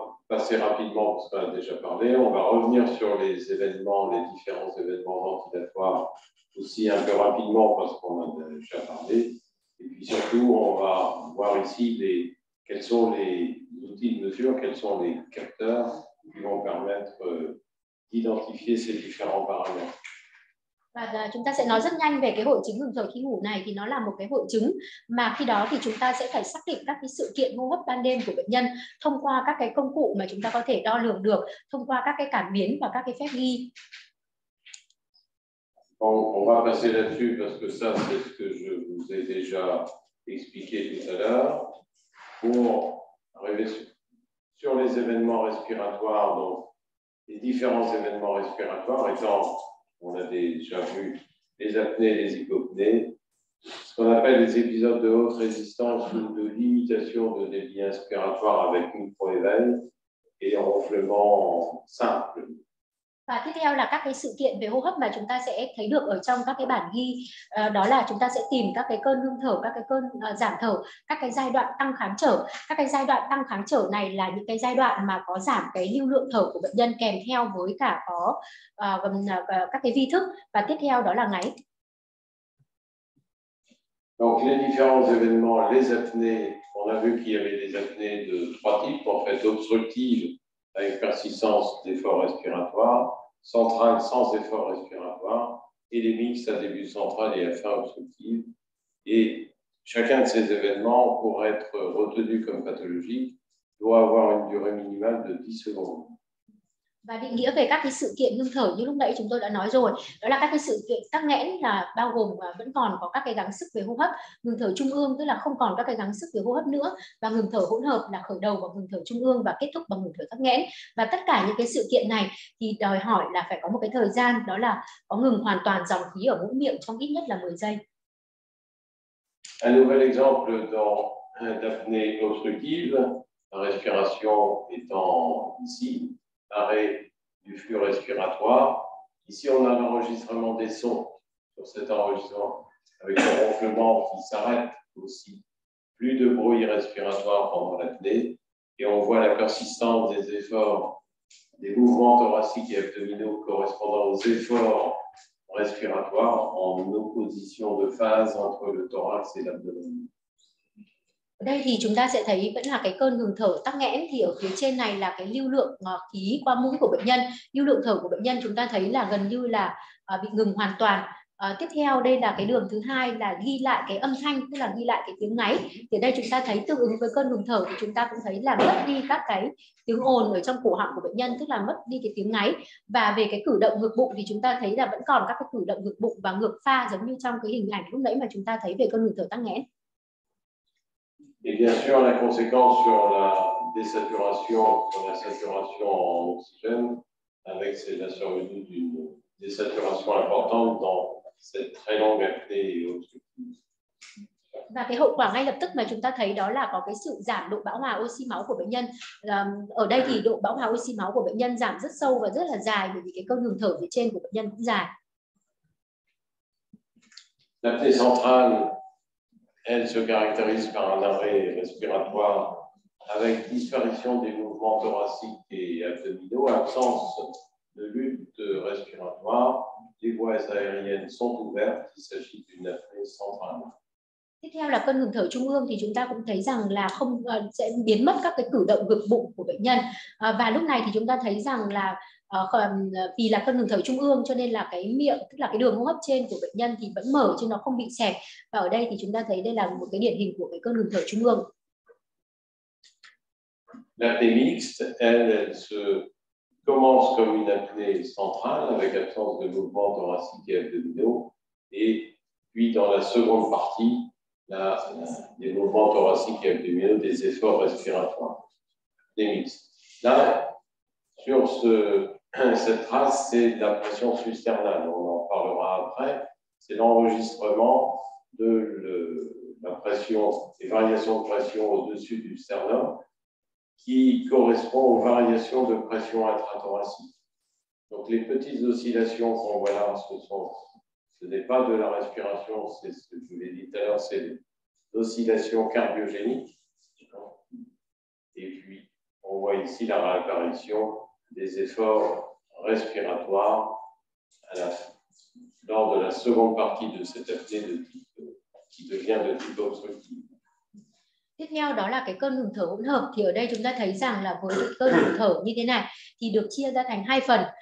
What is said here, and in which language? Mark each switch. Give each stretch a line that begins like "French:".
French: Assez rapidement, parce qu'on a déjà parlé, on va revenir sur les événements, les différents événements ventilatoires aussi un peu rapidement, parce qu'on a déjà parlé. Et puis surtout, on va voir ici quels sont les outils de mesure, quels sont les capteurs qui vont permettre d'identifier ces différents paramètres.
Vietnamese: Và chúng ta sẽ nói rất nhanh về cái hội chứng ngừng thở khi ngủ này, thì nó là một cái hội chứng mà khi đó thì chúng ta sẽ phải xác định các cái sự kiện hô hấp ban đêm của bệnh nhân thông qua các cái công cụ mà chúng ta có thể đo lường được thông qua các cái cảm biến và các cái phép ghi.
French: Bon, on va passer là-dessus parce que ça c'est ce que je vous ai déjà expliqué tout à l'heure. Pour arriver sur les événements respiratoires, donc les différents événements respiratoires étant, on a déjà vu les apnées, les hypopnées, ce qu'on appelle les épisodes de haute résistance ou de limitation de débit inspiratoire avec une proéveille et ronflement simple.
Vietnamese: Và tiếp theo là các cái sự kiện về hô hấp mà chúng ta sẽ thấy được ở trong các cái bản ghi, đó là chúng ta sẽ tìm các cái cơn ngưng thở, các cái cơn giảm thở, các cái giai đoạn tăng kháng trở. Các cái giai đoạn tăng kháng trở này là những cái giai đoạn mà có giảm cái lưu lượng thở của bệnh nhân kèm theo với cả có các cái vi thức. Và tiếp theo đó là ngáy.
French: Donc les différents événements, les apnées, on a vu qu'il y avait des apnées de trois types en fait, obstructives avec persistance d'effort respiratoire, centrale sans effort respiratoire, et les mixtes à début central et à fin obstructive. Et chacun de ces événements, pour être retenu comme pathologique, doit avoir une durée minimale de 10 secondes.
Vietnamese: Và định nghĩa về các cái sự kiện ngưng thở như lúc nãy chúng tôi đã nói rồi, đó là các cái sự kiện tắc nghẽn là bao gồm vẫn còn có các cái gắng sức về hô hấp, ngừng thở trung ương tức là không còn các cái gắng sức về hô hấp nữa, và ngừng thở hỗn hợp là khởi đầu bằng ngừng thở trung ương và kết thúc bằng ngừng thở tắc nghẽn. Và tất cả những cái sự kiện này thì đòi hỏi là phải có một cái thời gian, đó là có ngừng hoàn toàn dòng khí ở mũi miệng trong ít nhất là 10 giây.
French: Un nouvel exemple d'apnée obstructive, la respiration étant ici. Arrêt du flux respiratoire. Ici, on a l'enregistrement des sons sur cet enregistrement avec le ronflement qui s'arrête aussi. Plus de bruit respiratoire pendant l'apnée et on voit la persistance des efforts, des mouvements thoraciques et abdominaux correspondant aux efforts respiratoires en opposition de phase entre le thorax et l'abdomen.
Vietnamese: Đây thì chúng ta sẽ thấy vẫn là cái cơn ngừng thở tắc nghẽn, thì ở phía trên này là cái lưu lượng khí qua mũi của bệnh nhân. Lưu lượng thở của bệnh nhân chúng ta thấy là gần như là bị ngừng hoàn toàn. Tiếp theo đây là cái đường thứ hai là ghi lại cái âm thanh, tức là ghi lại cái tiếng ngáy. Thì đây chúng ta thấy tương ứng với cơn ngừng thở thì chúng ta cũng thấy là mất đi các cái tiếng ồn ở trong cổ họng của bệnh nhân, tức là mất đi cái tiếng ngáy. Và về cái cử động ngược bụng thì chúng ta thấy là vẫn còn các cái cử động ngược bụng và ngược pha giống như trong cái hình ảnh lúc nãy mà chúng ta thấy về cơn ngừng thở tắc nghẽn.
French: Et bien sûr, la conséquence sur la désaturation, sur la saturation en oxygène, avec la survenue d'une désaturation importante dans cette très longue apnée obstructive.
Vietnamese: Và cái hậu quả ngay lập tức mà chúng ta thấy đó là có cái sự giảm độ bão hòa oxy máu của bệnh nhân. Ở đây thì độ bão hòa oxy máu của bệnh nhân giảm rất sâu và rất là dài, bởi vì cái cơn ngừng thở phía trên của bệnh nhân cũng dài.
French: L'apnée centrale, elle se caractérise par un arrêt respiratoire avec disparition des mouvements thoraciques et abdominaux, absence de lutte respiratoire, les voies aériennes sont ouvertes, il s'agit d'une apnée centrale.
Vietnamese: Tiếp theo là cơn ngừng thở trung ương thì chúng ta cũng thấy rằng là không sẽ biến mất các cái cử động ngược bụng của bệnh nhân. Và lúc này thì chúng ta thấy rằng là vì là cơn ngừng thở trung ương cho nên là cái miệng, tức là cái đường hô hấp trên của bệnh nhân thì vẫn mở chứ nó không bị xẹp. Và ở đây thì chúng ta thấy đây là một cái điển hình của cái cơn ngừng thở trung ương.
French: L'apnée mixte, elle se commence comme une apnée centrale avec absence de mouvement thoracique et abdominaux. Et puis dans la seconde partie, des mouvements thoraciques et abdominaux, des efforts respiratoires. L'apnée mixte. Là, sur cette trace, c'est la pression susternale. On en parlera après. C'est l'enregistrement de la pression, des variations de pression au-dessus du sternum qui correspond aux variations de pression intrathoracique. Donc les petites oscillations qu'on voit là, ce n'est pas de la respiration, c'est ce que je vous ai dit tout à l'heure, c'est l'oscillation cardiogénique. Et puis, on voit ici la réapparition des efforts respiratoires lors de la seconde partie de cette apnée qui devient de type obstructive.
Vietnamese: Tiếp theo đó là cái cơn ngừng thở hỗn hợp, thì ở đây chúng ta thấy rằng là với cơn ngừng thở như thế này thì được chia ra thành hai phần.